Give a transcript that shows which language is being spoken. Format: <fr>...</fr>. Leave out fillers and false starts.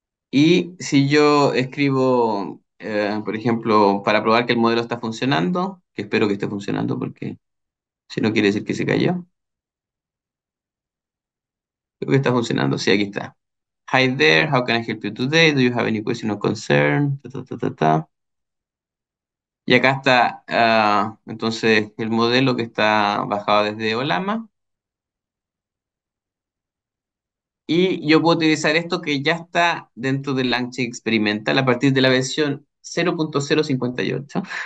<es>Y si yo escribo, por ejemplo, para probar que el modelo está funcionando, que espero que esté funcionando porque si no quiere decir que se cayó. Creo que está funcionando, sí, aquí está.</es> <en>Hi there, how can I help you today? Do you have any question or concern? Ta, ta, ta, ta, ta.</en> <es>Y acá está, entonces, el modelo que está bajado desde Olama. Y yo puedo utilizar esto que ya está dentro del Langchain Experimental a partir de la versión 0.058.</es>